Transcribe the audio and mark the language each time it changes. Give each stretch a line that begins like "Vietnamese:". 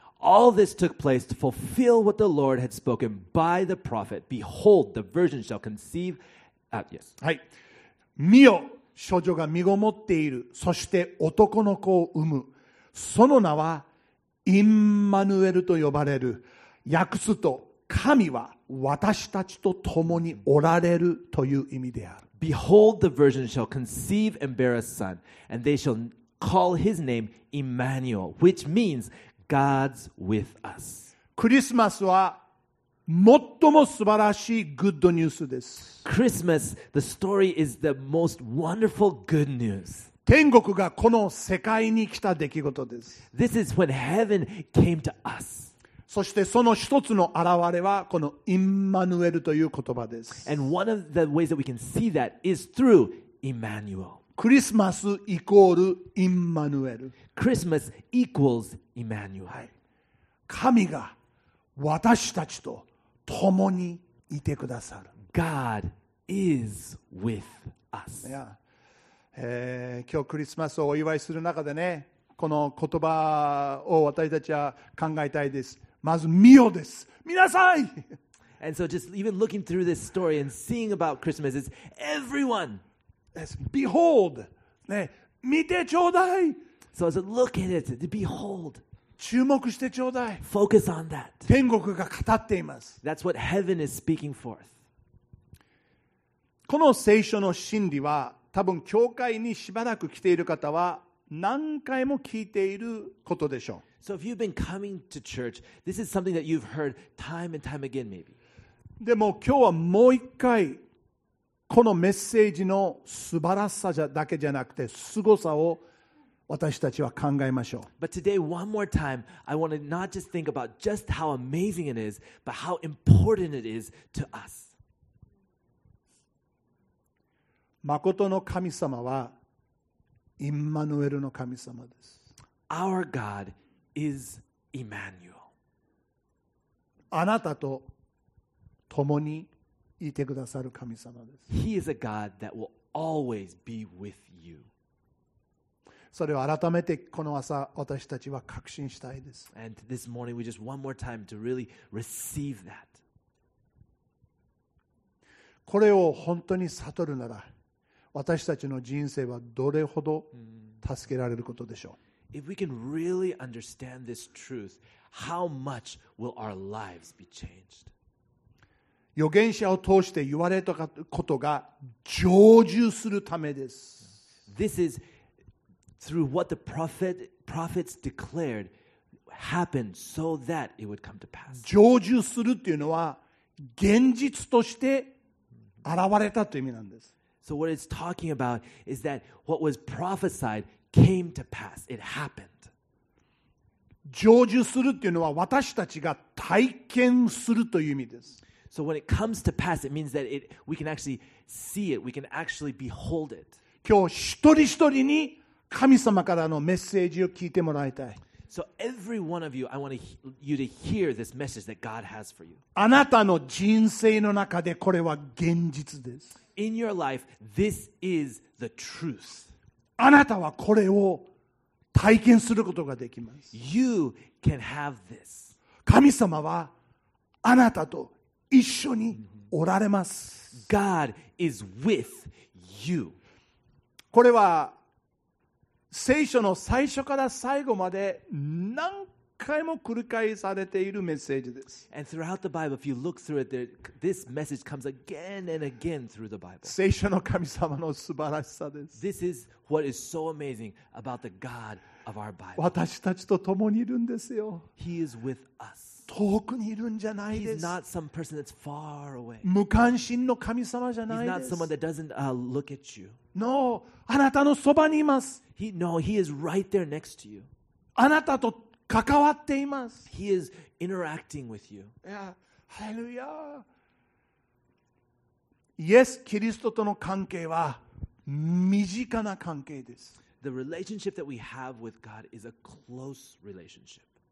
English: All this took place to fulfill what the Lord had spoken by the prophet. Behold, the virgin shall conceive. Yes.
Japanese: はい。見よ、処女が身ごもっている。そして男の子を産む。その名はインマヌエルと呼ばれる。訳すと、神は私たちと共におられるという意味である。
English: Behold, the virgin shall conceive and bear a son, and they shall call his name Emmanuel, which means God's with us.
Japanese: Christmas は最も素晴らしいグッドニュースです。
English: Christmas, the story is the most wonderful good news.
Japanese: 天国がこの世界に来た出来事です。
English: This is when heaven came to us.
Japanese: そしてその一つの現れはこのインマヌエルという言葉です。
English: And one of the ways that we can see that is through Emmanuel.
Japanese: クリスマスイコールインマヌエル。
English: Christmas equals Emmanuel.
Japanese: 神が私たちと共にいてくださる。
English: God is with us.
Japanese: 今日クリスマスをお祝いする中でね、この言葉を私たちは考えたいです。まず見よです。見なさい。
English: And so just even looking through this story and seeing about Christmas, it's everyone. Yes, behold.
Japanese: ね、見てちょうだい。
English: So as a look at it, behold.
Japanese: 注目してちょうだい。
English: Focus on that.
Japanese: 天国が語っています。
English: That's what heaven is speaking forth.
Japanese: この聖書の真理は、多分教会にしばらく来ている方は何回も聞いていることでしょう。
English: So if you've been coming to church, this is something that you've heard time and time again, maybe.
Japanese: でも今日はもう一回このメッセージの素晴らしさだけじゃなくて凄さを私たちは考えましょう。
English: But today, one more time, I want to not just think about just how amazing it is, but how important it is to us.
Japanese: 誠の神様はインマヌエルの神様です。
English: Our God is Emmanuel.
Japanese: あなたと共にいてくださる神様です。
English: He is a God that will always be with you.
Japanese: それを改めてこの朝私たちは確信したいです。
English: And this morning we just one more time to really receive that.
Japanese: これを本当に悟るなら私たちの人生はどれほど助けられることでしょう。
English: If we can really understand this truth, how much will our lives be changed?
Japanese: 預言者を通して言われたことが成就するためです。
English: This is through what the prophets declared happened so that it would come to pass.
Japanese: 成就するっていうのは現実として現れたという意味なんです。
English: So what it's talking about is that what was prophesied came to pass. It happened.
Japanese: 成就するっていうのは私たちが体験するという意味です。
English: So when it comes to pass, it means that it, we can actually see it. We can actually behold it.
Japanese: 今日一人一人に神様からのメッセージを聞いてもらいたい。
English: So every one of you, I want you to hear this message that God has for you.
Japanese: あなたの人生の中でこれは現実です。
English: In your life, this is the truth.
Japanese: あなたはこれを体験することができます。
English: You can have this.
Japanese: 神様はあなたと一緒におられます。
English: God is with you.
Japanese: これは聖書の最初から最後まで何回も繰り返されているメッセージです。
English: And throughout the Bible, if you look through it, this message comes again and again through the Bible.
Japanese: 聖書の神様の素晴らしさです。
English: This is what is so amazing about the God of our Bible.
Japanese: 私たちと共にいるんですよ。
English: He is with us.
Japanese: 遠くにいるんじゃないです。
English: He's not some person that's far away.
Japanese: 無関心の神様じゃないです。
English: He's not someone that doesn't look at you.
Japanese: No, あなたのそばにいます。
English: He is right there next to you.
Japanese: あなたと関わっています。
English: He is interacting with you. Yeah. Hallelujah.
Japanese: イエス・キリストとの関係は身近な関係です。
English: The relationship that we have with God is a close relationship.